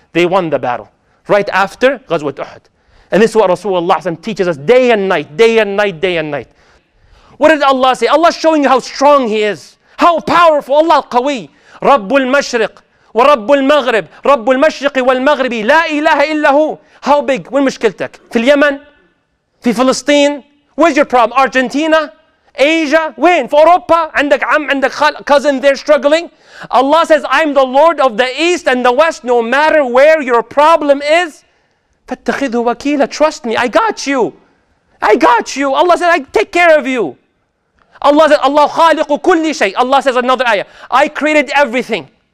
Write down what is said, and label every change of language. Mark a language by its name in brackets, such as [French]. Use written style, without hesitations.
[English] They won the battle right after Ghazwat Uhud. And this is what Rasulullah teaches us day and night, day and night, day and night. What did Allah say? Allah is showing you how strong He is. How powerful. Allah al-Qawi. Rabbul Mashriq. [Arabic] ورب المغرب رب المشرق والمغرب لا إله إلا هو. [English] How big? [Arabic] وين مشكلتك؟ في اليمن؟ في فلسطين؟ [English] Where's your problem? Argentina? Asia? [Arabic] وين؟ في أوروبا؟ عندك عم عندك خال [English] cousin there struggling. Allah says, I'm the Lord of the East and the West. No matter where your problem is, [Arabic] فاتخذه وكيلا. [English] Trust me, I got you. I got you. Allah says, I take care of you. Allah says, [Arabic] الله خالق كل شيء. [English] Allah says another ayah, I created everything.